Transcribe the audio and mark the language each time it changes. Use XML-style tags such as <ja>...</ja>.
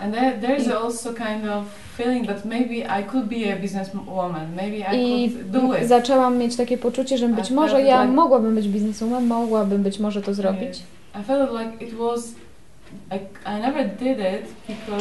<en>And there is also kind of feeling that maybe I could be a businesswoman, maybe I could do it.</en> <pl>I zaczęłam mieć takie poczucie, że być może ja mogłabym być bizneswoman, mogłabym być może to zrobić.</pl> <en>I felt like it was I never did it because</en>